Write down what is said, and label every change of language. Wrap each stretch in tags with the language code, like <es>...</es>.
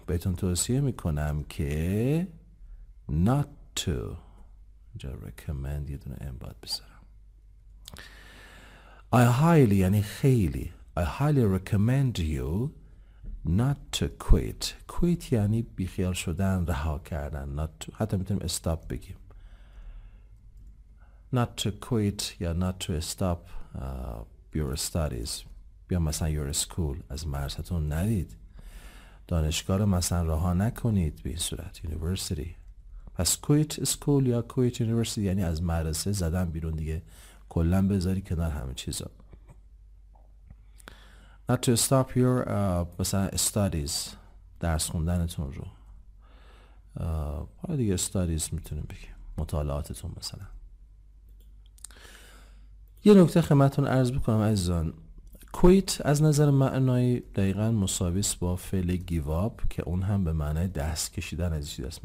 <fa>بهتون توصیه میکنم که</fa> <en>not to.</en> <fa>اینجا recommend یه دونه ام باید بذارم.</fa> <en>I highly</en> <fa>یعنی خیلی.</fa> <en>I highly recommend you not to quit.</en> <fa>Quit یعنی بیخیال شدن، رها کردن.</fa> <en>Not to.</en> <fa>حتی میتونیم stop بگیم.</fa> <en>Not to quit</en> <fa>یا</fa> <en>not to stop your studies.</en> <fa>بیا مثلا</fa> <en>your school.</en> <fa>از مدرسه‌تون نرید. دانشگاه رو مثلا رها نکنید به این صورت.</fa> <en>University.</en> <fa>پس</fa> <en>quit school</en> <fa>یا</fa> <en>quit university</en> <fa>یعنی از مدرسه زدن بیرون دیگه. کلن بذاری کنار همه چیزا.</fa> <en>Not to stop your</en> <fa>مثلا</fa> <en>studies،</en> <fa>درس خوندنتون رو. دیگه studies میتونیم بگیم، مطالعاتتون مثلا. یه نکته خدمتتون عرض بکنم عزیزان، quit از نظر معنایی دقیقا مساوی است با فعل</fa> <en>give up</en> <fa>که اون هم به معنای دست کشیدن از چیز است.</fa>